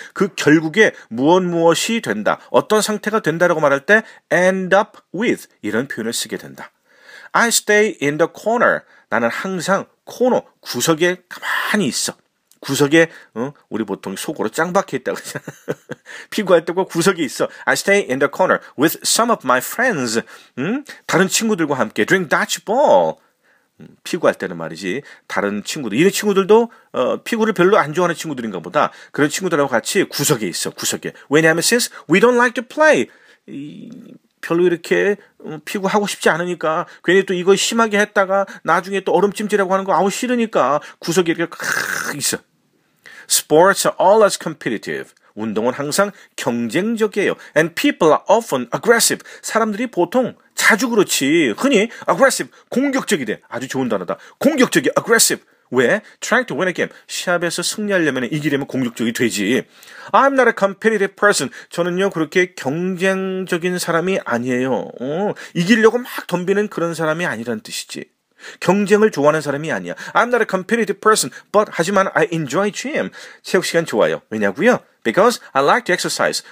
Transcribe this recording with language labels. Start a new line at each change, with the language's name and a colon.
Korean: 그 결국에 무엇 무엇이 된다. 어떤 상태가 된다라고 말할 때 end up with 이런 표현을 쓰게 된다.
English: I stay in the corner.
Korean: 나는 항상 코너, 구석에 가만히 있어. 구석에 우리 보통 속으로 짱박혀 있다고 하잖아. 피구할 때가 구석에 있어.
English: I stay in the corner with some of my friends.
Korean: 다른 친구들과 함께
English: drink dodgeball.
Korean: 피구할 때는 말이지 다른 친구들, 이런 친구들도 피구를 별로 안 좋아하는 친구들인가 보다. 그런 친구들하고 같이 구석에 있어, 구석에. 왜냐하면
English: since we don't like to play,
Korean: 별로 이렇게 피구하고 싶지 않으니까 괜히 또 이거 심하게 했다가 나중에 또 얼음찜질하고 하는 거 아우 싫으니까 구석에 이렇게 크 있어.
English: Sports are always competitive.
Korean: 운동은 항상 경쟁적이에요.
English: And people are often aggressive.
Korean: 사람들이 보통 자주 그렇지. 흔히 aggressive, 공격적이 돼. 아주 좋은 단어다. 공격적이 aggressive. 왜?
English: Trying to win a game.
Korean: 시합에서 승리하려면 이기려면 공격적이 되지.
English: I'm not a competitive person.
Korean: 저는요 그렇게 경쟁적인 사람이 아니에요. 이기려고 막 덤비는 그런 사람이 아니란 뜻이지. 경쟁을 좋아하는 사람이 아니야.
English: I'm not a competitive person. But
Korean: 하지만
English: I enjoy gym.
Korean: 체육 시간 좋아요. 왜냐고요?
English: Because I like to exercise.